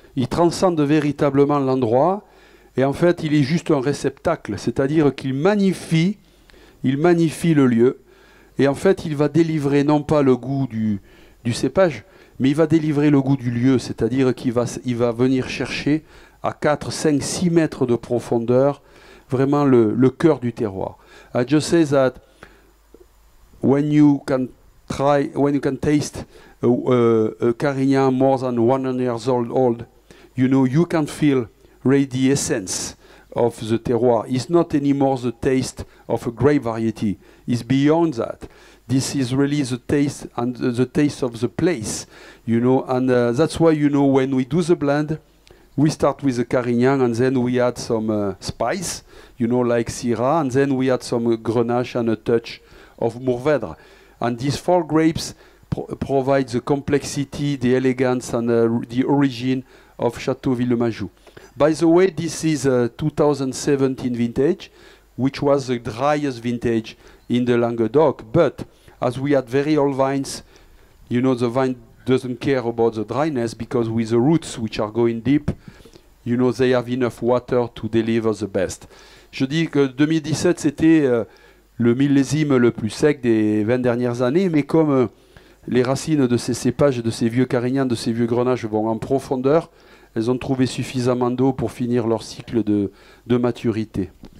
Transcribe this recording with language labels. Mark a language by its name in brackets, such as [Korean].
[French] Il transcende véritablement l'endroit, et en fait il est juste un réceptacle, c'est-à-dire qu'il magnifie, le lieu, et en fait il va délivrer non pas le goût du cépage, mais il va délivrer le goût du lieu, c'est-à-dire qu'il va, venir chercher à 4, 5, 6 mètres de profondeur vraiment le cœur du terroir. [English] I just say that when you can taste a Carignan more than 100 years old, you know, you can feel really the essence of the terroir. It's not anymore the taste of a grape variety. It's beyond that. This is really the taste and the taste of the place, you know. And that's why, you know, when we do the blend, we start with the Carignan, and then we add some spice, you know, like Syrah, and then we add some Grenache and a touch of Mourvèdre. And these four grapes provide the complexity, the elegance, and the origin of Château Villemajou. By the way, this is a 2017 vintage, which was the driest vintage in the Languedoc. But as we had very old vines, you know, the vine doesn't care about the dryness, because with the roots which are going deep, you know, they have enough water to deliver the best. [French] Je dis que 2017, c'était le millésime le plus sec des 20 dernières années, mais comme les racines de ces cépages, de ces vieux Carignans, de ces vieux Grenaches vont en profondeur, elles ont trouvé suffisamment d'eau pour finir leur cycle de maturité.